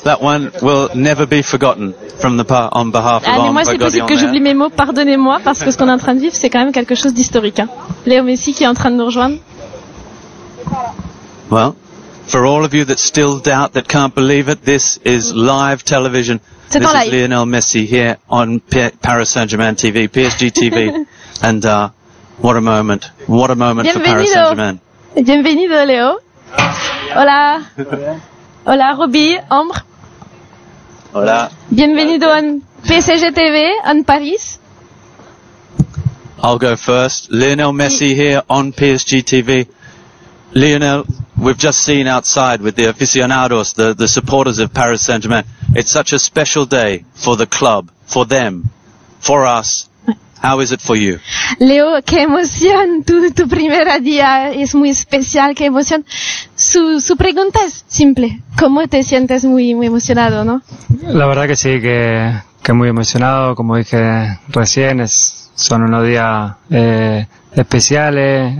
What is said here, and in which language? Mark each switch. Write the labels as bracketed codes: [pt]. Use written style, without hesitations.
[en] That one will never be forgotten from the part on behalf of. [fr] Allez, moi c'est possible que j'oublie mes mots. Pardonnez-moi parce que ce qu'on est en train de vivre, c'est quand même quelque chose d'historique. Hein. Léo Messi qui est en train de nous rejoindre. [en] Well, for all of you that still doubt, that can't believe it, this is live television. [fr] C'est [en] this [fr] en [en] is Lionel Messi here on Paris Saint-Germain TV, PSG TV, and what a moment! What a moment [es] Bienvenido. [en] For Paris Saint-Germain. [es] Bienvenido, Léo. Hola. Hola, Ruby, Ambre. Hola. Bienvenido en PSG TV en Paris. [en] I'll go first. Lionel Messi here on PSG TV. Lionel, we've just seen outside with the aficionados, the supporters of Paris Saint-Germain. It's such a special day for the club, for them, for us. How is it for you? [es] Leo, qué emoción. Tu primer día es muy especial, qué emoción. Su pregunta es simple. ¿Cómo te sientes muy, muy emocionado, no? La verdad que sí, que muy emocionado. Como dije recién, son unos días especiales.